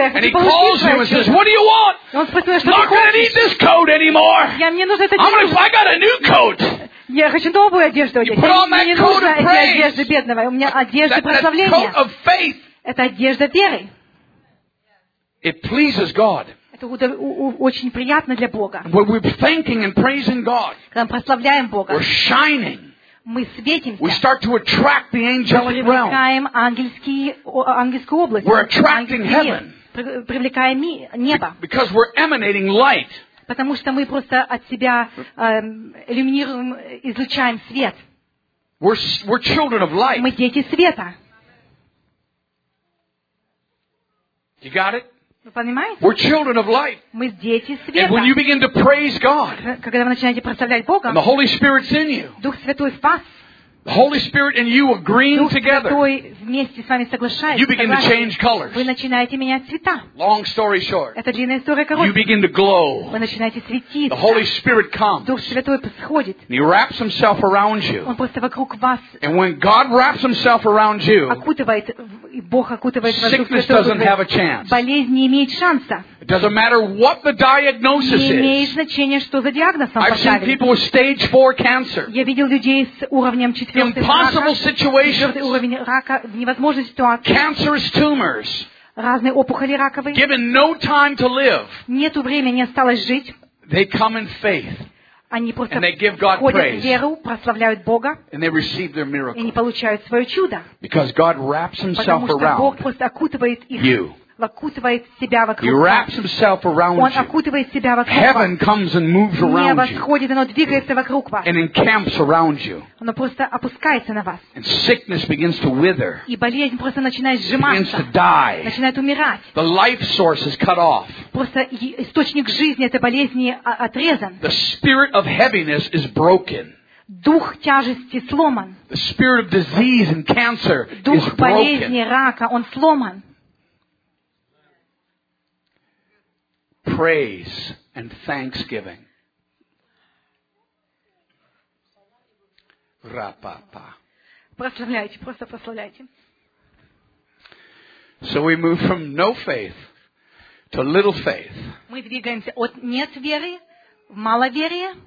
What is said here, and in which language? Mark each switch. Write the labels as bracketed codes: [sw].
[en] And he calls him and says, "What do you want?" [ru] Он спросил, что хочешь. [en] Not gonna need this coat anymore. [ru] Я мне нужно это. [en] I got a new coat. [ru] Я хочу новую одежду одеть. Мне не нужна эта одежда бедного. У меня одежда прославления. Это одежда веры. [en] It pleases God. [ru] Это очень приятно для Бога. [en] When we're thanking and praising God, [ru] когда мы прославляем Бога, [en] we're shining. [ru] Мы светимся. [en] We start to attract the angelic realm. [ru] Мы привлекаем ангельскую область. [en] We're attracting heaven. [ru] Привлекаем небо. [en] Because we're emanating light. [ru] Потому что мы просто от себя иллюминируем, излучаем свет. [en] We're children of light. [ru] Мы дети света. [en] You got it? [ru] Вы понимаете? [en] We're children of light. [ru] Мы дети света. [en] And when you begin to praise God, [ru] когда вы начинаете прославлять Бога, [en] and the Holy Spirit's in you, [ru] Дух Святой в вас, [en] the Holy Spirit and you agreeing together, [ru] Дух Святой вместе с вами соглашается, [en] you begin to change colors. [ru] Вы начинаете менять цвета. [en] Long story short, [ru] это длинная история короткая. [en] You begin to glow. [ru] Вы начинаете светиться. [en] The Holy Spirit comes. [ru] Дух Святой сходит. [en] He wraps himself around you. [ru] Он просто вокруг вас. [en] And when God wraps himself around you, [ru] окутывает, и Бог окутывает вас. [en] Sickness doesn't have a chance. [ru] Болезнь не имеет шанса. [en] It doesn't matter what the diagnosis is. [ru] Не имеет значения, что за диагноз вам поставили. [en] I've seen people with stage 4 cancer. [ru] Я видел людей с уровнем 4. [en] Impossible situations. [ru] Уровень рака в невозможной ситуации. [en] Cancerous tumors. [ru] Разные опухоли раковые. [en] Given no time to live. [ru] Нету времени, осталось жить. [en] They come in faith. [ru] Они просто [en] and they give God [ru] входят [en] praise. [ru] В веру, прославляют Бога. [en] And they receive their miracle. [ru] И они получают свое чудо. [en] Because God wraps himself around. [ru] что Бог просто окутывает их. [en] You. [ru] Окутывает себя вокруг. [en] He wraps himself around [ru] Он окутывает себя вокруг вас. [en] Heaven comes and moves around [ru] небо сходит, оно двигается вокруг вас. [en] And encamps around you. [ru] Оно просто опускается на вас. [en] And sickness begins to wither. [ru] И болезнь просто начинает сжиматься. [en] It begins to die. [ru] Начинает умирать. [en] The life source is cut off. [ru] Просто источник жизни этой болезни отрезан. [en] The spirit of heaviness is broken. [ru] Дух тяжести сломан. [en] The spirit of disease and cancer is broken. [ru] Дух болезни, рака, он сломан. [en] Praise and thanksgiving. Ра-па-па. [ru] Прославляйте, просто прославляйте. [en] So we move from no faith to little faith. [ru] Мы двигаемся от нет веры в маловерие.